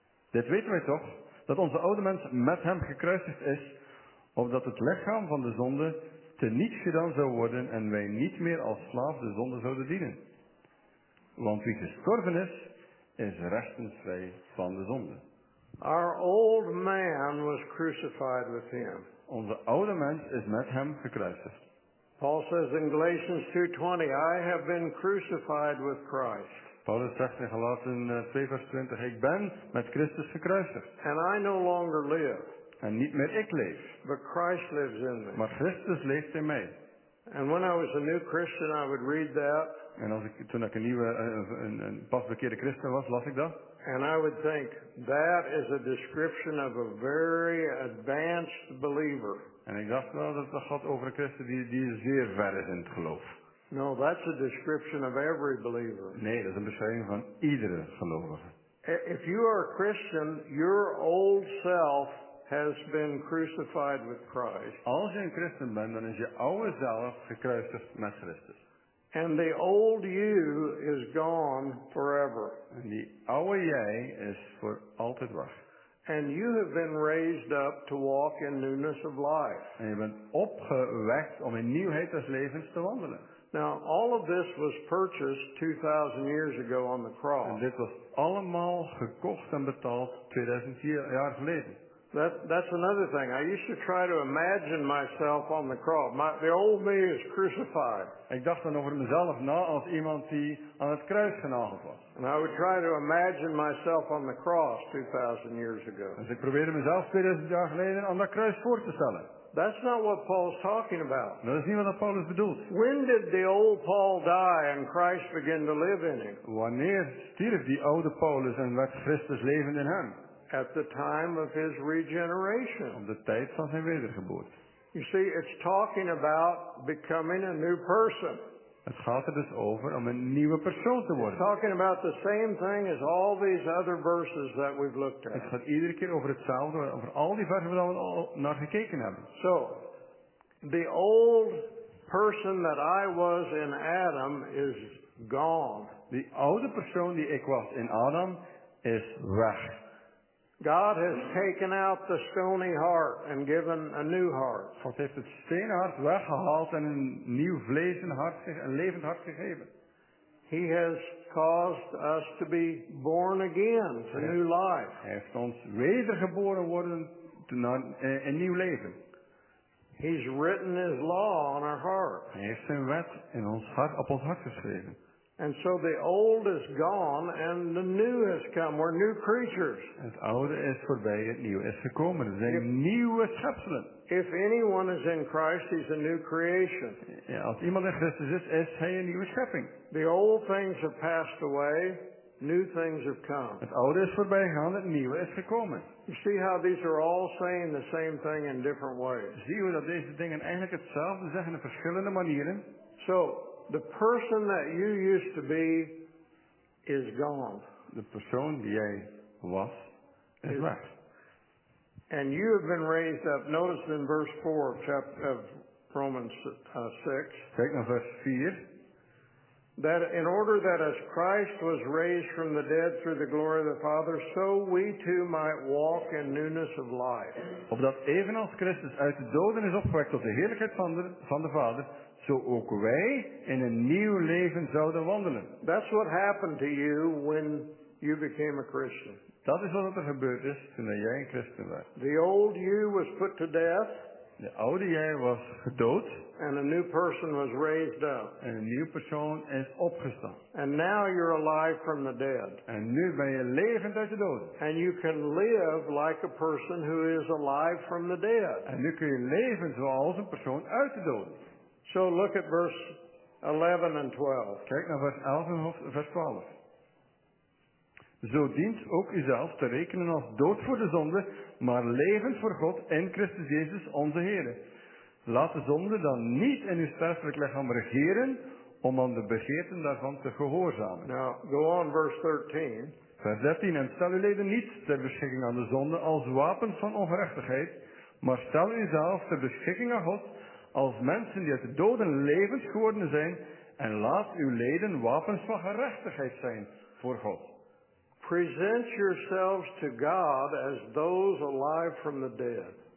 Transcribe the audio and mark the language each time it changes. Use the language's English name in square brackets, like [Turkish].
[Dutch] Dit weten wij toch, dat onze oude mens met hem gekruisigd is, opdat het lichaam van de zonde teniet gedaan zou worden en wij niet meer als slaaf de zonde zouden dienen. Want wie gestorven is, is rechtensvrij van de zonde. [English] Our old man was crucified with him. [Dutch] Onze oude mens is met hem gekruisigd. [English] Paul says in Galatians 2:20, I have been crucified with Christ. [Dutch] Paulus zegt in Galaten 2:20, ik ben met Christus gekruisigd. [English] And I no longer live. [Dutch] En niet meer ik leef. [English] But Christ lives in me. [Dutch] Maar Christus leeft in mij. [English] And when I was a new Christian, I would read that. [Dutch] En als ik, toen ik een nieuwe, een pas bekeerde Christen was, las ik dat. [English] And I would think that is a description of a very advanced believer. [Dutch] En ik dacht wel dat het gaat over een Christen die zeer ver is in het geloof. [English] No, that's a description of every believer. [Dutch] Nee, dat is een beschrijving van iedere gelovige. [English] If you are a Christian, your old self has been crucified with Christ. [Dutch] Als je een Christen bent, dan is je oude zelf gekruisigd met Christus. [English] And the old you is gone forever. [Dutch] En die oude jij is voor altijd weg. [English] And you have been raised up to walk in newness of life. [Dutch] En je bent opgewekt om in nieuwheid des levens te wandelen. [English] Now, all of this was purchased 2000 years ago on the cross. [Dutch] En dit was allemaal gekocht en betaald 2000 jaar geleden. [English] That's another thing. I used to try to imagine myself on the cross. The old me is crucified. [Dutch] Ik dacht dan over mezelf na als iemand die aan het kruis genageld was. [English] And I would try to imagine myself on the cross 2000 years ago. [Dutch] Dus ik probeerde mezelf 2000 jaar geleden aan dat kruis voor te stellen. [English] That's not what Paul's talking about. [Dutch] Nou, dat is niet wat Paulus bedoelt. [English] When did the old Paul die and Christ begin to live in him? [Dutch] Wanneer stierf die oude Paulus en werd Christus levend in hem? [English] At the time of his regeneration. [Dutch] Op de tijd van zijn wedergeboorte. [English] You see, it's talking about becoming a new person. [Dutch] Het gaat er dus over om een nieuwe persoon te worden. [English] It's talking about the same thing as all these other verses that we've looked at. [Dutch] Het gaat iedere keer over hetzelfde, over al die versen waar we al naar gekeken hebben. [English] So, the old person that I was in Adam is gone. [Dutch] Die oude persoon die ik was in Adam is weg. [English] God has taken out the stony heart and given a new heart. [Dutch] God heeft het stenen hart weggehaald en een nieuw vlezen hart, een levend hart gegeven. [English] He has caused us to be born again to new life. [Dutch] Hij heeft ons wedergeboren worden naar een nieuw leven. [English] He's written his law on our heart. [Dutch] Hij heeft zijn wet in ons hart op ons hart geschreven. [English] And so the old is gone and the new has come. We're new creatures. [Dutch] Het oude is voorbij, het nieuwe is gekomen. We zijn nieuwe schepselen. [English] If anyone is in Christ, he's a new creation. [Dutch] Ja, als iemand in Christus is, is hij een nieuwe schepping. [English] The old things have passed away. New things have come. [Dutch] Het oude is voorbij gegaan, het nieuwe is gekomen. [English] You see how these are all saying the same thing in different ways. [Dutch] Zie hoe dat deze dingen eigenlijk hetzelfde zeggen op verschillende manieren. [English] So, the person that you used to be is gone. [Dutch] De persoon die jij was, is weg. [English] And you have been raised up. Notice in verse 4 of Romans 6. [Dutch] Kijk naar vers 4. [English] That in order that as Christ was raised from the dead through the glory of the Father, so we too might walk in newness of life. [Dutch] Opdat evenals Christus uit de doden is opgewekt tot de heerlijkheid van de Vader, zo ook wij in een nieuw leven zouden wandelen. [English] That's what happened to you when you became a Christian. [Dutch] Dat is wat er gebeurd is toen jij een Christen werd. [English] The old you was put to death. [Dutch] De oude jij was gedood. [English] And a new person was raised up. [Dutch] En een nieuwe persoon is opgestaan. [English] And now you're alive from the dead. [Dutch] En nu ben je levend uit de doden. [English] And you can live like a person who is alive from the dead. [Dutch] En nu kun je leven zoals een persoon uit de doden. [English] So look at verse 11 and 12. [Dutch] Kijk naar vers 11 en vers 12. Zo dient ook uzelf te rekenen als dood voor de zonde, maar levend voor God in Christus Jezus onze Heer. Laat de zonde dan niet in uw sterfelijk lichaam regeren, om aan de begeerten daarvan te gehoorzamen. [English] Now, go on verse 13. [Dutch] Vers 13. En stel uw leden niet ter beschikking aan de zonde als wapens van ongerechtigheid, maar stel uzelf ter beschikking aan God als mensen die uit de doden levend geworden zijn, en laat uw leden wapens van gerechtigheid zijn voor God. [English] Present yourselves to God as those alive from the dead.